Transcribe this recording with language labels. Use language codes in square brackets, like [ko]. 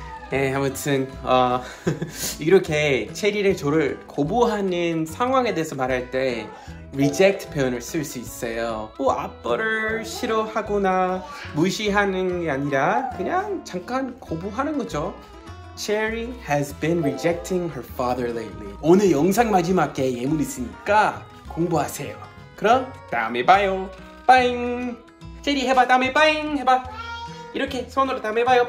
[ko] 네 아무튼 이렇게 체리를 저를 거부하는 상황에 대해서 말할 때 reject 표현을 쓸 수 있어요. 뭐 아빠를 싫어하거나 무시하는 게 아니라 그냥 잠깐 거부하는 거죠. [en] Cherry has been rejecting her father lately. [ko] 오늘 영상 마지막에 예문 있으니까 공부하세요. 그럼 다음에 봐요. 빠잉. 체리 해봐. 다음에 빠잉 해봐. 이렇게 손으로 다음에 봐요.